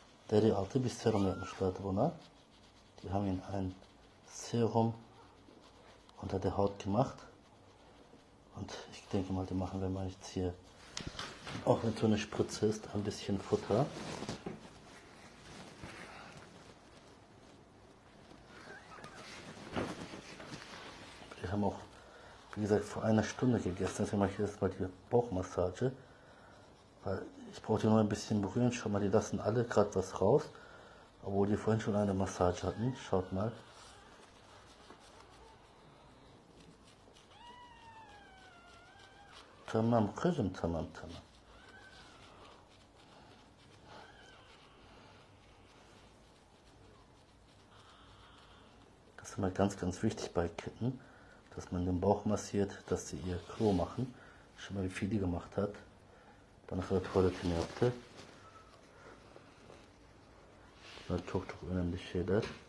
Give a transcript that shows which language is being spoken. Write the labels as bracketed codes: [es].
[tr] Deri altı bir serum yapmışlardı buna. [de] Die haben ihm ein Serum unter der Haut gemacht. Und ich denke mal, die machen wir mal jetzt hier, auch wenn es so eine Spritze ist, ein bisschen Futter. Wir haben auch, wie gesagt, vor einer Stunde gegessen. Deswegen mache ich jetzt mal die Bauchmassage. Weil ich brauche die nur ein bisschen berühren. Schau mal, die lassen alle gerade was raus. Obwohl die vorhin schon eine Massage hatten. Schaut mal. [tr] Tamam, kızım, tamam. [de] Das ist immer ganz, ganz wichtig bei Kitten, dass man den Bauch massiert, dass sie ihr Klo machen. Schau mal, wie viel die gemacht hat. [tr] Bana kadar tuvaletini yaptı. Bunlar çok çok önemli şeyler.